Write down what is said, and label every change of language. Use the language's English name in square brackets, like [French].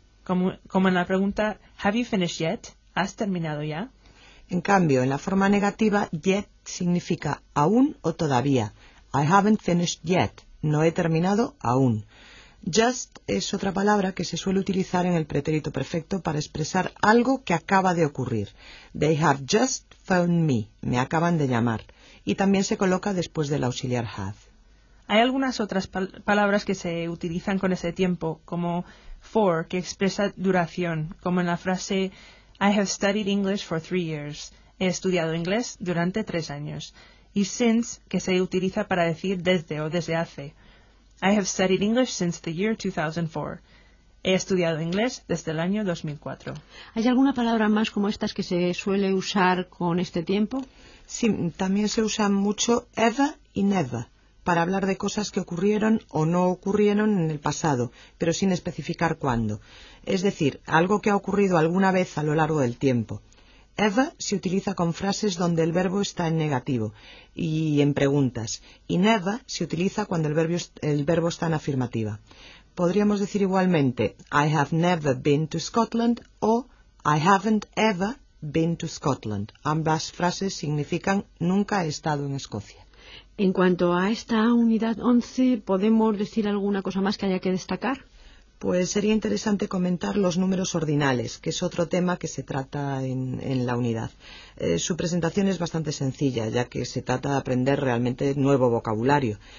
[Spanish] Como en la pregunta, [English] have you finished yet? [Spanish] ¿Has terminado ya? En cambio, en la forma negativa, yet significa aún o todavía. [English] I haven't finished yet. [Spanish] No he terminado aún. Just es otra palabra que se suele utilizar en el pretérito perfecto para expresar algo que acaba de ocurrir. [English] They have just phoned me. [Spanish] Me acaban de llamar. Y también se coloca después del auxiliar have. Hay algunas otras palabras que se utilizan con ese tiempo, como for, que expresa duración, como en la frase [English] I have studied English for 3 years. [Spanish] He estudiado inglés durante 3 años. Y since, que se utiliza para decir desde o desde hace. [English] I have studied English since the year 2004. [Spanish] He estudiado inglés desde el año 2004. ¿Hay alguna palabra más como estas que se suele usar con este tiempo? Sí, también se usan mucho ever y never para hablar de cosas que ocurrieron o no ocurrieron en el pasado, pero sin especificar cuándo. Es decir, algo que ha ocurrido alguna vez a lo largo del tiempo. Ever se utiliza con frases donde el verbo está en negativo y en preguntas. Y never se utiliza cuando el verbo está en afirmativa. Podríamos decir igualmente, [English] I have never been to Scotland o I haven't ever been to Scotland. [Spanish] Ambas frases significan nunca he estado en Escocia. En cuanto a esta unidad 11, ¿podemos decir alguna cosa más que haya que destacar? Pues sería interesante comentar los números ordinales, que es otro tema que se trata en la unidad. Su presentación es bastante sencilla, ya que se trata de aprender realmente nuevo vocabulario.